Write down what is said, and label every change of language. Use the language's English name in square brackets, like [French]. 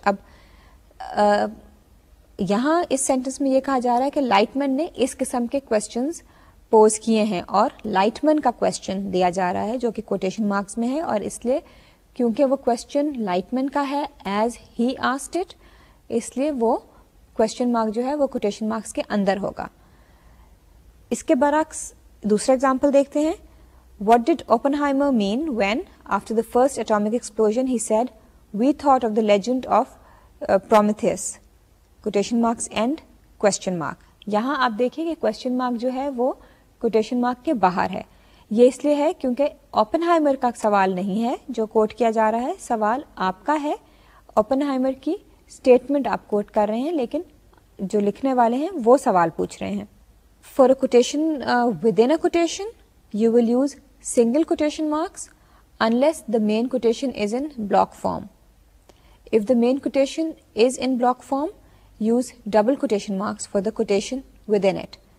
[Urdu] اب یہاں اس سینٹنس میں یہ کہا جا رہا ہے کہ لائٹمن نے اس قسم کے کوشچنز پوز کیے ہیں, اور لائٹمن کا کوشچن دیا جا رہا ہے جو کہ کوٹیشن مارکس میں ہے, اور اس لیے کیونکہ وہ کوشچن لائٹمن کا ہے [English] as he asked it, [Urdu] اس لیے وہ کوشچن مارک جو ہے وہ کوٹیشن مارکس کے اندر ہوگا. اس کے برعکس دوسرا ایگزامپل دیکھتے ہیں. [English] What did Oppenheimer mean when, after the first atomic explosion, he said, we thought of the legend of Prometheus? Quotation marks end, question mark. [Urdu] یہاں آپ دیکھیں کہ question mark جو ہے وہ quotation mark کے باہر ہے. یہ اس لیے ہے کیونکہ Oppenheimer کا سوال نہیں ہے جو کوٹ کیا جا رہا ہے, سوال آپ کا ہے. Oppenheimer کی اسٹیٹمنٹ آپ کوٹ کر رہے ہیں, لیکن جو لکھنے والے ہیں وہ سوال پوچھ رہے ہیں. [English] For a quotation within a quotation, you will use single quotation marks unless the main quotation is in block form. If the main quotation is in block form, use double quotation marks for the quotation within it.